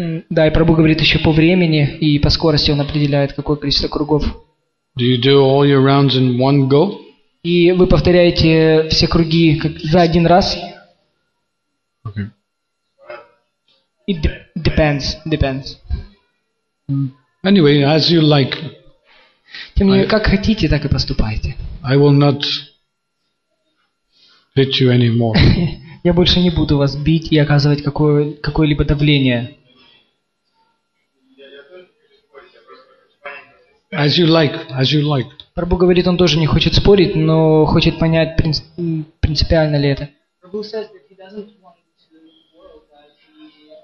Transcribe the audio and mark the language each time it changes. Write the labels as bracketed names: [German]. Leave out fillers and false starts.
[Russian] Да, и Прабху говорит еще по времени и по скорости он определяет, какое количество кругов. [English] Do you do all your rounds in one go? [Russian] И вы повторяете все круги за один раз? [English] Okay. It depends. Anyway, as you like. [Russian] Тем не менее, как хотите, так и поступайте. [English] I will not hit you anymore. [Russian] Я больше не буду вас бить и оказывать какое-либо давление. [English] As you like. [Russian] Прабху говорит, он тоже не хочет спорить, но хочет понять, принципиально ли это. [English] Прабху says that he doesn't want to the world, that he